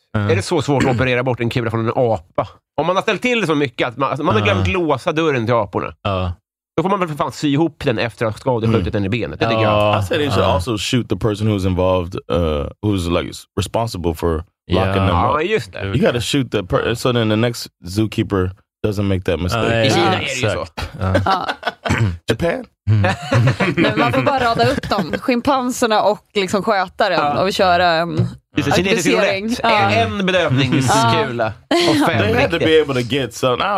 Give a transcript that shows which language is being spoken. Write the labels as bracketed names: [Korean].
[Swedish] Mm. Är det så svårt att operera bort en kula från en apa? Om man har ställt till så mycket att man har glömt låsa dörren till aporna. Ja. Då får man väl för fan sy ihop den efter att skadeskjutit den i benet. Det [English] I said they should also shoot the person who's involved, who's like responsible for locking them up. [Swedish] Ja, just det. [English] You gotta shoot the person, so then the next zookeeper doesn't make that mistake. [Swedish] I Kina är det ju så. Japan? Men man får bara rada upp dem. Schimpanserna och liksom skötaren. Och vi kör en... En bedövningskula. [English] They had to be able to get some...